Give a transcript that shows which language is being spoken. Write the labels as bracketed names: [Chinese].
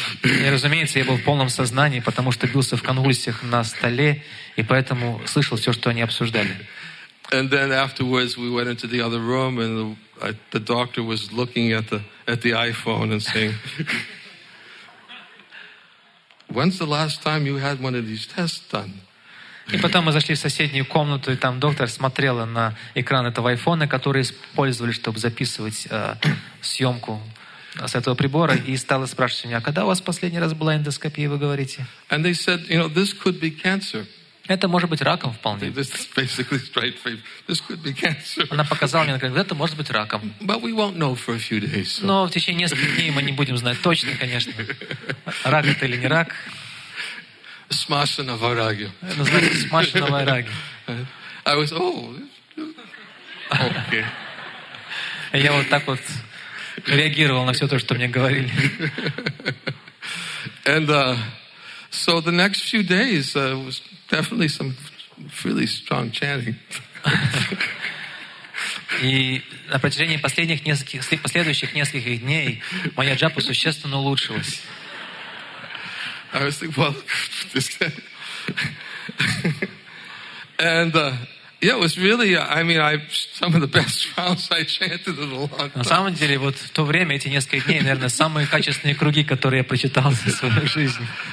[Russian] И, разумеется, я был в полном сознании, потому что бился в конвульсиях на столе, и поэтому слышал все, что они обсуждали. [English] And then afterwards we went into the other room and the doctor was looking at the iPhone and saying, when's the last time you had one of these tests done? [Russian] И потом мы зашли в соседнюю комнату, и там доктор смотрела на экран этого iPhone, который использовали, чтобы записывать съемку с этого прибора, и стала спрашивать меня, когда у вас последний раз была эндоскопия, вы говорите? [English] And they said, you know, this could be cancer. [Russian] Это может быть раком вполне. [English] This is basically straight face. This could be cancer. [Russian] Она показала мне, как это может быть раком. [English] But we won't know for a few days. [Russian] Но в течение нескольких дней мы не будем знать точно, конечно, рак это или не рак. Смашана вараги. Это значит смашана вараги. [English] I was, oh, okay. [Russian] Я вот так вот реагировал на все то, что мне говорили. [English] And so the next few days was definitely some really strong chanting. [Russian] И на протяжении последних нескольких последующих нескольких дней моя джапа существенно улучшилась. [English] I was like, well, this guy. And yeah, it was really, I mean, I some of the best rounds I chanted in a long time. [Russian] На самом деле, вот в то время эти несколько дней, наверное, самые качественные круги, которые я прочитал за свою жизнь.